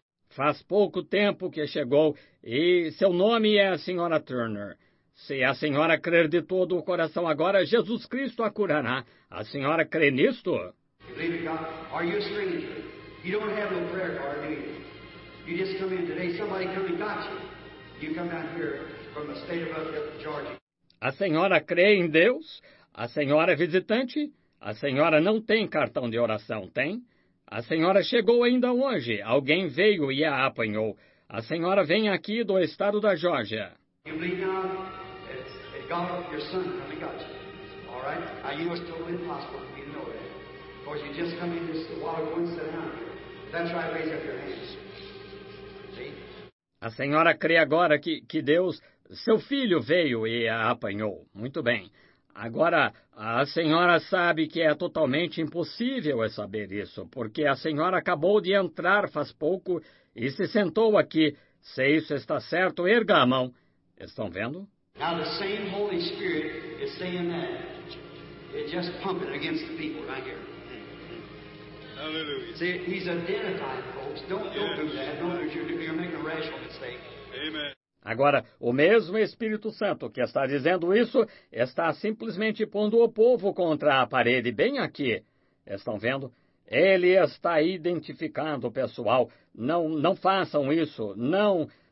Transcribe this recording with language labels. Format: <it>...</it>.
<pt>Faz pouco tempo que chegou e seu nome é a senhora Turner. Se a senhora crer de todo o coração agora, Jesus Cristo a curará. A senhora crê nisto?</pt> <en>You believe in God? Are you a stranger? You don't have no prayer card, do you? You just come in today, somebody come and got you. You come down here from the state of Georgia.</en> <pt>A senhora crê em Deus? A senhora é visitante? A senhora não tem cartão de oração, tem? A senhora chegou ainda hoje. Alguém veio e a apanhou. A senhora vem aqui do estado da Georgia.</pt> <en>You believe now that God, your son, come and got you. All right? I knew it was totally impossible for you to know that. Of course, you just come in just a while ago and sit down. That's right, raise up your hands. See?</en> <pt>A senhora crê agora que Deus, seu filho, veio e a apanhou. Muito bem. Agora, a senhora sabe que é totalmente impossível eu saber isso, porque a senhora acabou de entrar faz pouco e se sentou aqui. Se isso está certo, erga a mão. Estão vendo?</pt> <en>Now the same Holy Spirit is saying that. It's just pumping against the people right here. Hallelujah. See, he's identified, folks. Don't do that. Don't do that. You're making a rational mistake. Amen.</en> <pt>Agora, o mesmo Espírito Santo que está dizendo isso está simplesmente pondo o povo contra a parede, bem aqui. Estão vendo? Ele está identificando o pessoal. Não façam isso. Não.</pt>